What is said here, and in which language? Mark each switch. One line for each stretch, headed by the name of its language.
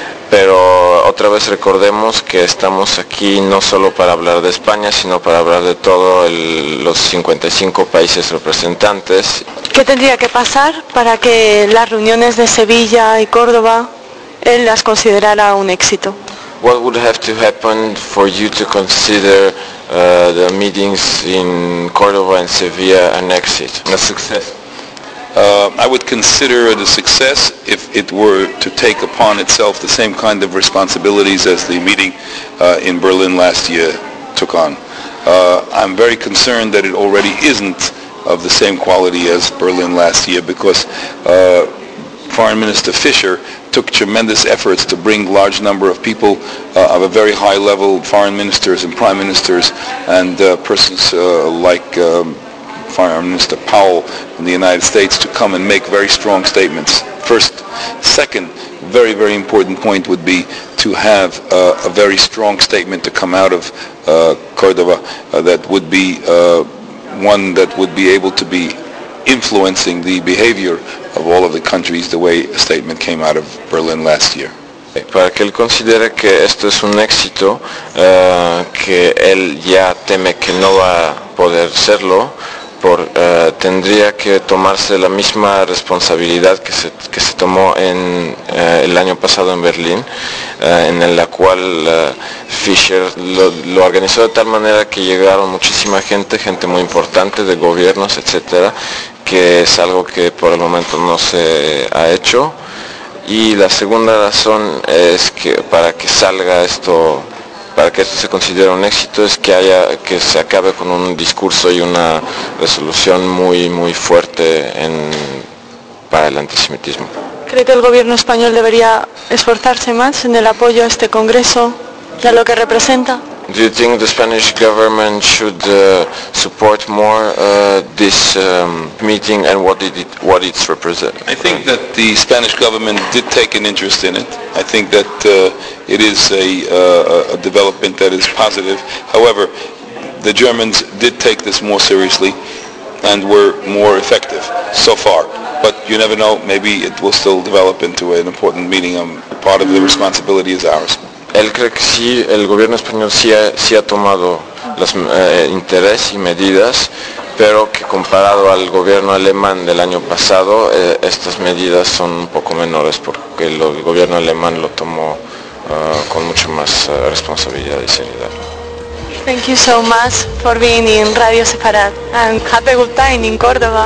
Spanish: Pero otra vez recordemos que estamos aquí no solo para hablar de España, sino para hablar de todos los 55 países representantes. ¿Qué tendría que pasar para que las reuniones de Sevilla y Córdoba él las considerara un éxito?
English: What would have to happen for you to consider the meetings in Córdoba and Sevilla an exit? A success. I would consider it a success if it were to take upon itself the same kind of responsibilities as the meeting in Berlin last year took on. I'm very concerned that it already isn't of the same quality as Berlin last year because Foreign Minister Fischer took tremendous efforts to bring large number of people of a very high level, foreign ministers and prime ministers and persons like Foreign Minister Powell in the United States to come and make very strong statements. First, second, very, very important point would be to have a very strong statement to come out of Cordova that would be one that would be able to be influencing the behavior of all of the countries the way a statement came out of Berlin last year.
Spanish: Para que él considere que esto es un éxito, que él ya teme que no va a poder serlo, tendría que tomarse la misma responsabilidad que se tomó en el año pasado en Berlín, en la cual Fischer lo organizó de tal manera que llegaron muchísima gente muy importante de gobiernos, etcétera, que es algo que por el momento no se ha hecho. Y la segunda razón es que para que salga esto, para que esto se considere un éxito, es que se acabe con un discurso y una resolución muy, muy fuerte para el antisemitismo. ¿Cree que el gobierno español debería esforzarse más en el apoyo a este congreso y a lo que representa?
English: Do you think the Spanish government should support more this meeting and what it represents? I think that the Spanish government did take an interest in it. I think that it is a development that is positive. However, the Germans did take this more seriously and were more effective so far. But you never know, maybe it will still develop into an important meeting. Part of the responsibility is ours.
Spanish: Él cree que sí, el gobierno español sí ha tomado los interés y medidas, pero que comparado al gobierno alemán del año pasado, estas medidas son un poco menores porque el gobierno alemán lo tomó con mucho más responsabilidad y seriedad.
English: Thank you so much for being in Radio Sefarad and happy good time in Córdoba.